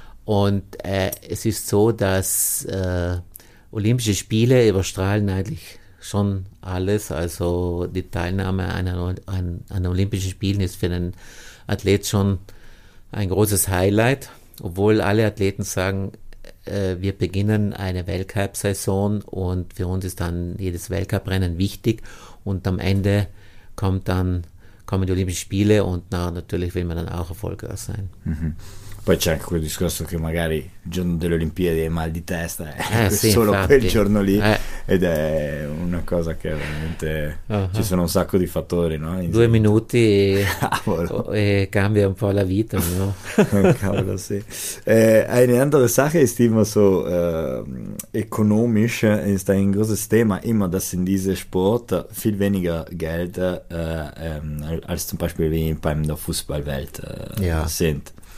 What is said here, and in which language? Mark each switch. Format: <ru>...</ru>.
<de>Und es ist so, dass Olympische Spiele überstrahlen eigentlich schon alles, also die Teilnahme an Olympischen Spielen ist für einen Athlet schon ein großes Highlight, obwohl alle Athleten sagen, wir beginnen eine Weltcup-Saison und für uns ist dann jedes Weltcuprennen wichtig und am Ende kommen die Olympischen Spiele und natürlich will man dann auch erfolgreich sein. Mhm.</de> <it>Poi c'è anche quel discorso che magari il giorno delle Olimpiadi hai mal di testa, sì, solo infatti. Quel giorno lì, ed è una cosa che veramente ci sono un sacco di fattori, no? In due minuti e cambia un po' la vita, no? Cavolo, sì.</it> <de>Eine andere Sache ist immer so ökonomisch, ist ein großes Thema, immer, dass in diesem Sport viel weniger Geld als zum Beispiel wie beim der Fußballwelt sind.</de>